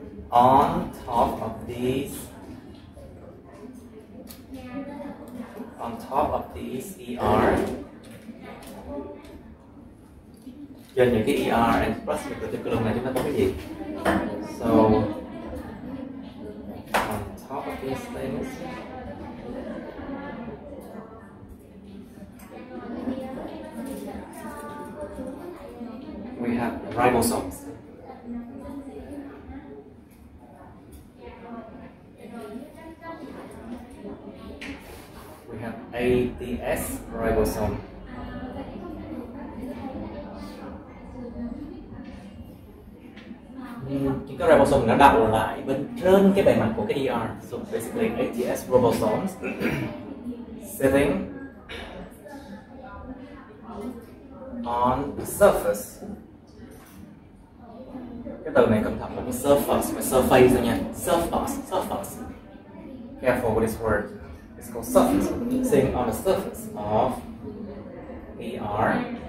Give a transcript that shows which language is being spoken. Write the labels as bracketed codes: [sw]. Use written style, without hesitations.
[en] On top of these, ER. [vi] Trên những cái ER and plasmic reticulum này chúng ta có cái gì? [en] So on top of these things, we have ribosomes. We have ATS ribosome. [vi] Những cái ribosome nó đậu lại bên trên cái bề mặt của cái ER. [en] So basically ATS ribosomes sitting on the surface. [vi] Cái từ này cẩn thận là cái surface, cái surface thôi nha. [en] Surface, surface. Careful with this word. It's called surface. Sitting on the surface of ER.